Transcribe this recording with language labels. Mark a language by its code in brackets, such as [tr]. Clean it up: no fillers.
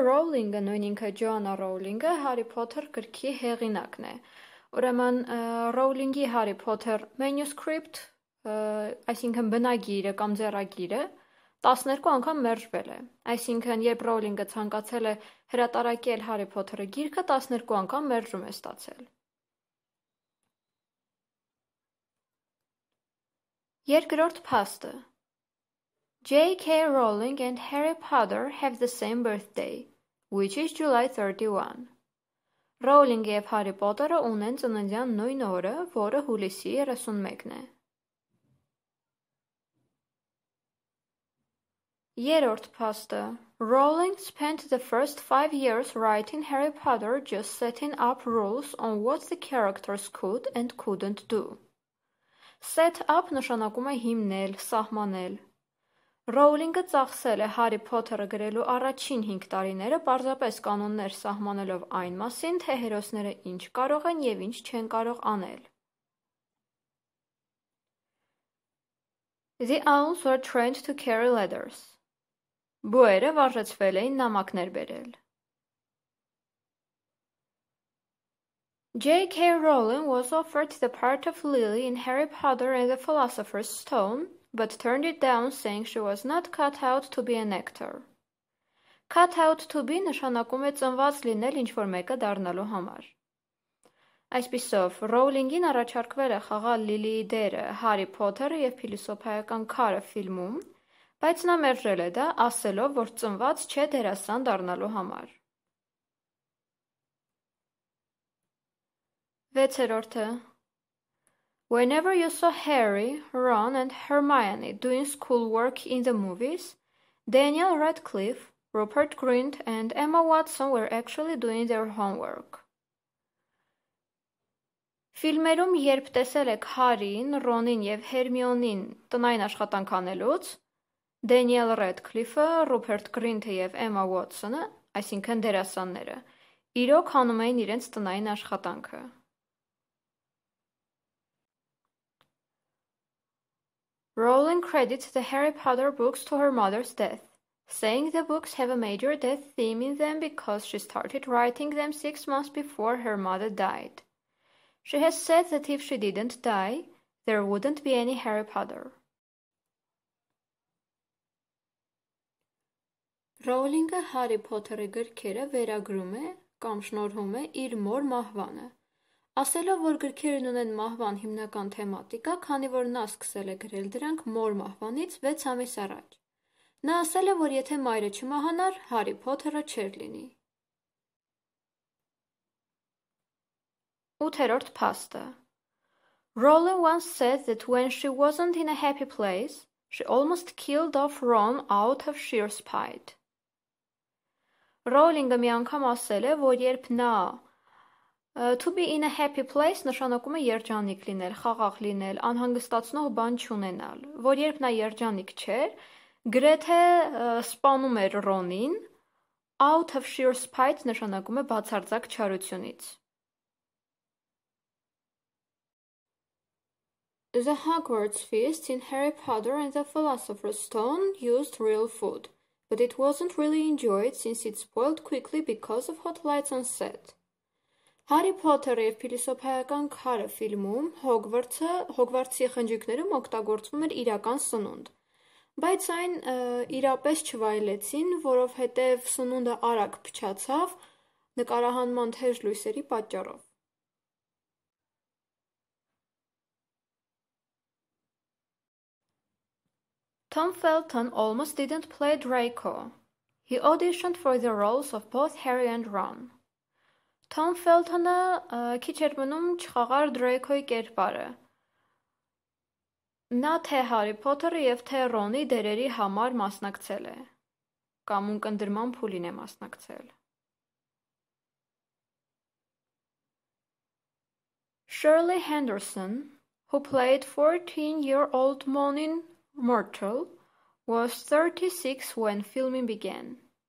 [hy] Rowling-ը, նույն ինքը Joanna Rowling-ը, Harry Potter գրքի հեղինակն է։ Ուրեմն, Rowling-ի Harry Potter manuscript, այսինքն բնագիրը կամ ձեռագիրը, 12 անգամ մերժվել է։ Այսինքն, երբ Rowling-ը ցանկացել է հրատարակել Harry Potter-ի գիրքը, 12 անգամ մերժում է ստացել։ Երկրորդ փաստը. [en] J.K. Rowling and Harry Potter have the same birthday, which is July 31. [hy] Rowling և Harry Potter-ը ունեն ծննդյան նույն օրը, որը հուլիսի 31-ն է։ Երրորդ փաստը. [en] Rowling spent the first 5 years writing Harry Potter just setting up rules on what the characters could and couldn't do. [hy] Set up նշանակում է հիմնել, սահմանել։ Rowling-ը ծախսել է Harry Potter-ը գրելու առաջին 5 տարիները պարզապես կանոններ սահմանելով այն մասին, թե հերոսները ինչ կարող են և ինչ չեն կարող անել։ [en] The owls were trained to carry letters. [hy] Բուերը վարժեցվել էին նամակներ բերել։ J.K. [en] Rowling was offered the part of Lily in Harry Potter and the Philosopher's Stone, but turned it down, saying she was not cut out to be an actor. Cut out to be [hy] նշանակում է ծնված լինել ինչ-որ մեկը դառնալու համար։ Այսպիսով, Rowling-ին առաջարկվել է խաղալ Lily-ի դերը Harry Potter-ը և Փիլիսոփայական քարը ֆիլմում, բայց նա մերժել է դա, ասելով, որ ծնված չէ դերասան դառնալու համար։ Վեցերորդը. [en] Whenever you saw Harry, Ron and Hermione doing schoolwork in the movies, Daniel Radcliffe, Rupert Grint and Emma Watson were actually doing their homework. [hy] Ֆիլմերում երբ տեսել եք Հարրին, Ռոնին և Հերմիոնին տնային աշխատանք անելուց, Daniel Radcliffe-ը, Rupert Grint-ը և Emma Watson-ը, այսինքն դերասանները, իրոք անում էին իրենց տնային աշխատանքը։ [en] Rowling credits the Harry Potter books to her mother's death, saying the books have a major death theme in them because she started writing them 6 months before her mother died. She has said that if she didn't die, there wouldn't be any Harry Potter. [hy] Rowling-ը Harry Potter-ի գրքերը վերագրում է կամ շնորհում է իր մոր մահվանը, ասելով, որ գրքերն ունեն մահվան հիմնական թեմատիկա, քանի որ նա սկսել է գրել դրանք մոր մահվանից 6 ամիս առաջ։ Նա ասել է, որ եթե մայրը չմահանար, Harry Potter-ը չէր լինի։ 8-րդ փաստը. [en] Rowling once said that when she wasn't in a happy place, she almost killed off Ron out of sheer spite. [hy] Rowling-ը մի անգամ ասել է, որ երբ նա [en] to be in a happy place [hy] նշանակում է երջանիկ լինել, խաղաղ լինել, անհանգստացնող բան չունենալ, որ երբ նա երջանիկ չէր, գրեթե սպանում էր Ռոնին, [en] out of sheer spite [hy] նշանակում է բացարձակ չարությունից։ [en] The Hogwarts feast in Harry Potter and the Philosopher's Stone used real food, but it wasn't really enjoyed since it spoiled quickly because of hot lights on set. [hy] Harry Potter-ը և Փիլիսոփայական քարը ֆիլմում Հոգվարցի խնջույքներում օգտագործվում էր իրական սնունդ, բայց այն իրապես չվայելեցին, որովհետև սնունդը արագ փչացավ նկարահանման թեժ լույսերի պատճառով։ [en] Tom Felton almost didn't play Draco. He auditioned for the roles of both Harry and Ron. [hy] Թոմ Ֆելթոնը քիչ էր մնում չխաղար Դրեյքոյի կերպարը։ Նա թե Հարի Փոթերը եւ թե Ռոնի դերերի համար մասնակցել է։ Կամ ունկնդրման փուլին է մասնակցել։ [en] Shirley Henderson, who played 14-year-old Monin Myrtle, was 36 when filming began.